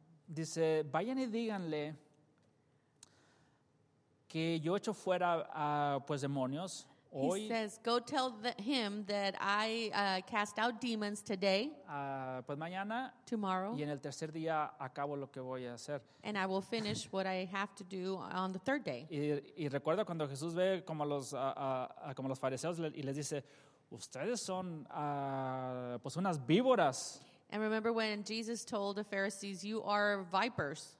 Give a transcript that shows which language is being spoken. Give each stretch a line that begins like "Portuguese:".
Spanish: Dice, vayan y díganle que yo echo fuera pues demonios hoy.
English: He says, go tell him that I cast out demons today.
Spanish: Pues mañana.
English: Tomorrow.
Spanish: Y en el tercer día acabo lo que voy a hacer.
English: And I will finish what I have to do on the third day.
Spanish: Y recuerda cuando Jesús ve como los fariseos y les dice, ustedes son pues unas víboras.
English: And remember when Jesus told the Pharisees, you are vipers.